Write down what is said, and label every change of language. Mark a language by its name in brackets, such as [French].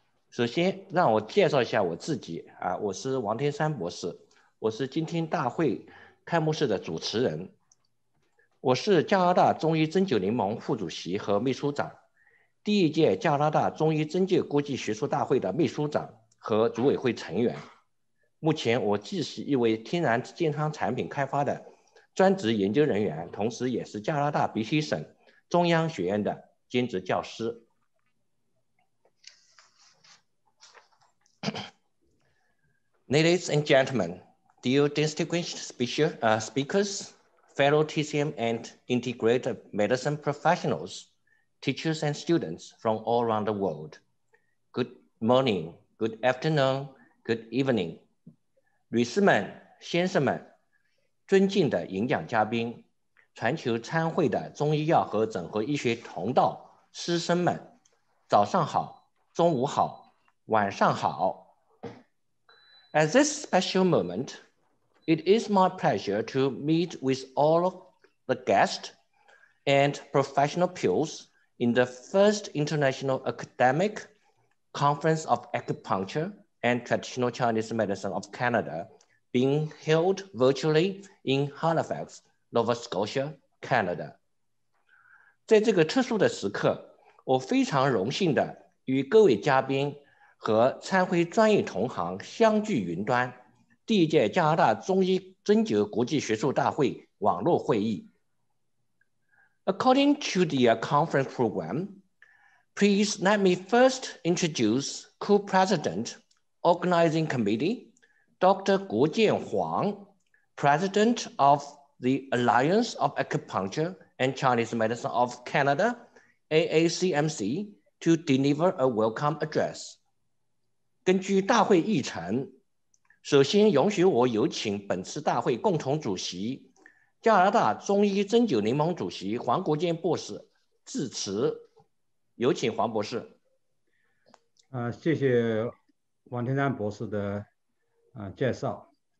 [Chinese] 首先让我介绍一下我自己，我是王天山博士，我是今天大会开幕式的主持人，我是加拿大中医针灸联盟副主席和秘书长，第一届加拿大中医针灸国际学术大会的秘书长和组委会成员。目前我既是一位天然健康产品开发的专职研究人员，同时也是加拿大 BC 省中央学院的兼职教师。 [English] Ladies and gentlemen, dear distinguished speakers, fellow TCM and integrative medicine professionals, teachers and students from all around the world, good morning, good afternoon, good evening. [Chinese] 女士们、先生们、尊敬的演讲嘉宾、全球参会的中医药和整合医学同道师生们，早上好，中午好，晚上好。 [English] At this special moment, it is my pleasure to meet with all of the guests and professional peers in the first international academic conference of acupuncture and traditional Chinese medicine of Canada being held virtually in Halifax, Nova Scotia, Canada. [Chinese] 在这个特殊的时刻，我非常荣幸的与各位嘉宾和参会专业同行相聚云端，第一届加拿大中医针灸国际学术大会网络会议。 [English] According to the conference program, please let me first introduce co-president, organizing committee, Dr. Guo Jianhuang, president of the Alliance of Acupuncture and Chinese Medicine of Canada, AACMC, to deliver a welcome address. [Chinese] 根据大会议程，首先允许我有请本次大会共同主席、加拿大中医针灸联盟主席黄国健博士致辞。有请黄博士。谢谢王天山博士的介绍。